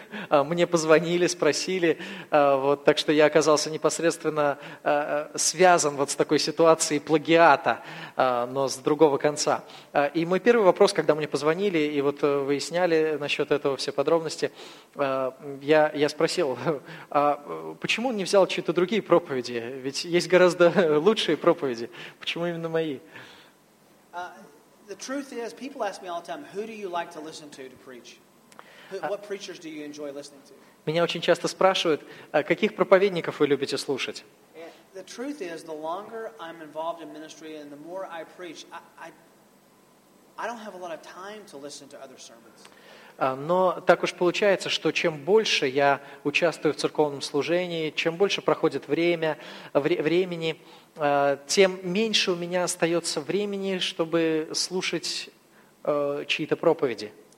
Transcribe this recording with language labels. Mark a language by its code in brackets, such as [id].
[ru] Мне позвонили, спросили. Вот, так что я оказался непосредственно связан вот с такой ситуацией плагиата, но с другого конца. И мой первый вопрос, когда мне позвонили и вот выясняли насчет этого все подробности, я спросил, почему он не взял чьи-то другие проповеди? Ведь есть гораздо лучшие проповеди. Почему именно мои? [en] The truth is, people ask me all the time, who do you like to listen to preach? What preachers do you enjoy listening to? [ru] Меня очень часто спрашивают, каких проповедников вы любите слушать? [en] And the truth is, the longer I'm involved in ministry and the more I preach, I don't have a lot of time to listen to other sermons. [ru] Но так уж получается, что чем больше я участвую в церковном служении, чем больше проходит времени, тем меньше у меня остается времени, чтобы слушать чьи-то проповеди.